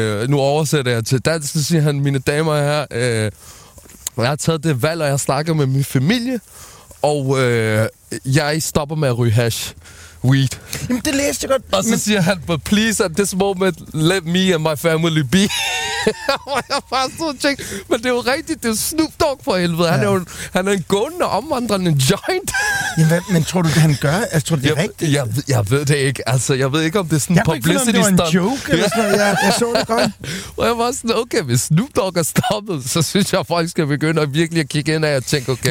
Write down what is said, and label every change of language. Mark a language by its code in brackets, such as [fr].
[da] Nu oversætter jeg til dansk, så siger han, mine damer og herrer, jeg har taget det valg, og jeg snakker med min familie, og jeg stopper med at ryge hash. [en] Weed. [da] Jamen, det læste jeg godt. Og så siger han, [en] but please, at this moment, let me and my family be. [da] Jeg var bare sådan tjekket. Men det er jo rigtigt, det er Snoop Dogg for helvede. Ja. Han er en gående, omvandrende joint. Jamen, men tror du, det han gør? Altså, tror du, det er rigtigt? Jeg ved det ikke. Altså, jeg ved ikke, om det er sådan en [en] publicity stunt. [da] Jeg kunne ikke finde, om det var en joke. Jeg så det godt. Og jeg var sådan, okay, hvis Snoop Dogg er stoppet, så synes jeg, folk skal begynde at virkelig at kigge ind af og tænke, okay.